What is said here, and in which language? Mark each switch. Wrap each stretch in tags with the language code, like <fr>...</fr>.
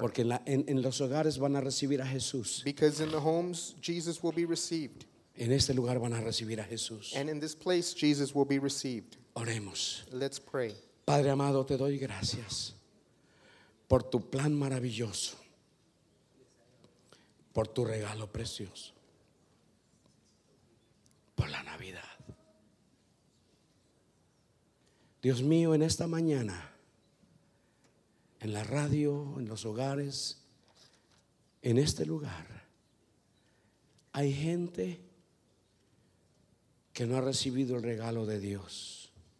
<es>Porque en los hogares van a recibir a Jesús.</es> <en>Because in the homes, Jesus will be received.</en> <es>En este lugar van a recibir a Jesús.</es> <en>And in this place, Jesus will be received.</en> <es>Oremos.</es> <en>Let's pray.</en> <es>Padre amado, te doy gracias. Por tu plan maravilloso, por tu regalo precioso, por la Navidad. Dios mío, en esta mañana, en la radio, en los hogares, en este lugar, hay gente que no ha recibido el regalo de Dios.</es>